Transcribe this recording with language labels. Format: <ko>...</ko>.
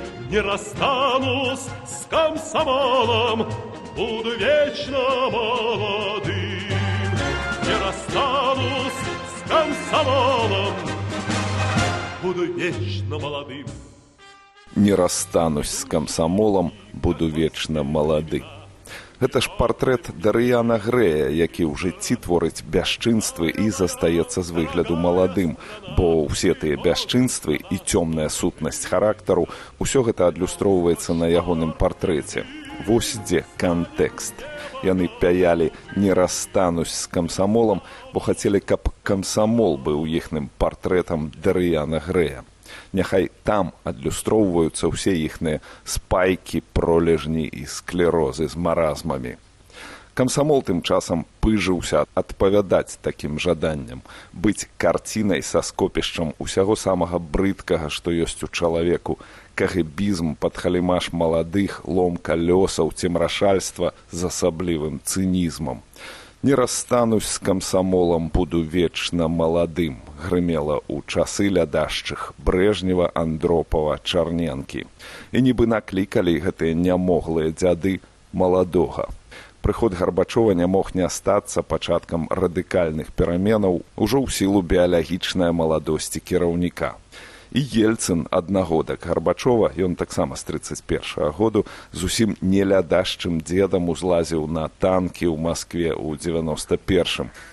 <ru>Не расстанусь с комсомолом, буду вечно молодым. Не расстанусь с комсомолом, буду вечно молодым. Не расстанусь с комсомолом, буду вечно молоды.</ru> <be>Гэта ж партрэт Дарыяна Грэя, які ў жыцці творыць бясчынствы і застаецца з выгляду маладым, бо ўсе тыя бясчынствы і цёмная сутнасць характару, усё гэта адлюстроўваецца на ягоным партрэце. Вось дзе кантэкст. Яны пяялі</be> <ru>«Не расстанусь</ru> <be>з камсамолам», бо хацелі, каб камсамол быў іхным партрэтам Дарыяна Грэя. Няхай там адлюстроўваюцца ўсе іхныя спайкі, пролежні і склерозы з маразмамі. Камсамол тым часам пыжыўся адпавядаць такім жаданням, быць карцінай са скопішчам усяго самага брыдкага, што ёсць у чалавеку, кагэбізм, падхалімаш маладых, лом калёсаў, цемрашальства з асаблівым цынізмам.</be> <ru>«Не расстанусь с комсомолом, буду вечно молодым»,</ru> <be>— грымела у часы лядашчых Брежнева, Андропова, Чарненкі. И нібы наклікалі гэтыя нямоглыя дзяды молодога. Прыход Гарбачова не мог не астацца пачаткам радыкальных пераменаў ўжо ў сілу біялагічнай маладосці кіраўніка. І Ельцын аднагодак Гарбачова, ён таксама з 31-го году, зусім не лядашчым дзедам узлазіў на танкі ў Маскве ў 91-м.</be>